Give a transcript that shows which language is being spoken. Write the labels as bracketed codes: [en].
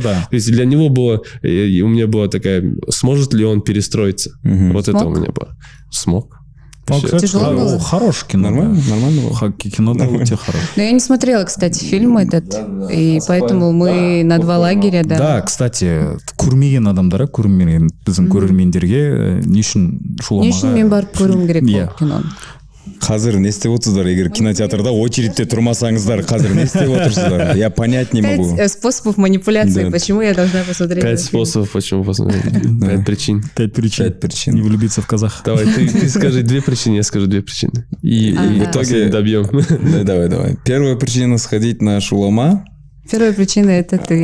[ru] То есть для него было, у меня была такая, сможет ли он перестроиться? Вот смог? Это у меня было. Смог. Хорош кино. Нормально было. Кино у тебя хорошее. Но я не смотрела, кстати, фильм этот. И поэтому мы на два лагеря. Да, [kk] кстати, көрмеген адамдар, көрмеген біздің көрермендерге не үшін шуламаға. Не үшін мен барып көрім керек кино. Қазір не істеп отырсыздар, егер кинотеатрда очередьте тұрмасаңыздар, қазір не істеп отырсыздар? [ru] Я понять не могу. Пять способов манипуляции, почему я должна посмотреть? Пять способов, почему посмотреть? Пять причин. Пять причин. Не влюбиться в казаха. Давай, ты скажи две причины, я скажу две причины. И в итоге добьем. Давай. Первая причина – сходить на Шулама. Первая причина – это ты.